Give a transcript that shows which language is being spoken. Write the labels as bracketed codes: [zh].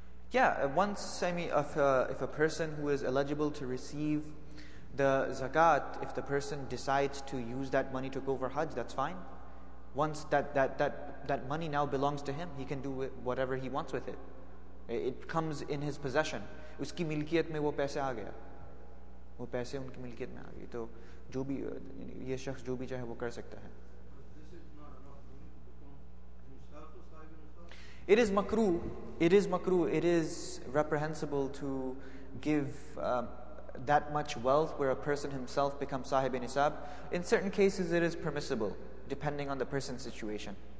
[en] Yeah, once if a person who is eligible to receive the zakat, if the person decides to use that money to go for Hajj, that's fine. Once that money now belongs to him, he can do whatever he wants with it. It comes in his possession. [ur] اسکی ملکیت میں وہ پیسے آ گیا۔ وہ پیسے انکی ملکیت میں آ گئے۔ تو جو بھی یہ شخص جو بھی چاہے وہ کر سکتا ہے۔ [en] It is makruh. It is makruh. It is reprehensible to give that much wealth where a person himself becomes sahib nisab. In certain cases, it is permissible, depending on the person's situation.